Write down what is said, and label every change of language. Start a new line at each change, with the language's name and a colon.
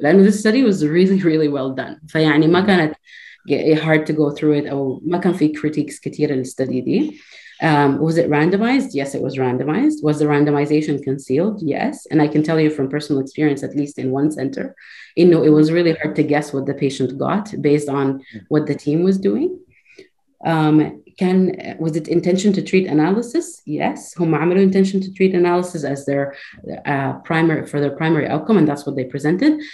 English: And this study was really, really well done.
Arabic: فيعني ما كانت
English: hard to go through it.
Arabic: أو ما كان في critiques كتير للstudy دي.
English: Was it randomized? Yes, it was randomized. Was the randomization concealed? Yes. And I can tell you from personal experience, at least in one center, you know, it was really hard to guess what the patient got based on what the team was doing. Was it intention to treat analysis? Yes.
Arabic: هم عملوا
English: intention to treat analysis as their primary outcome, and that's what they presented.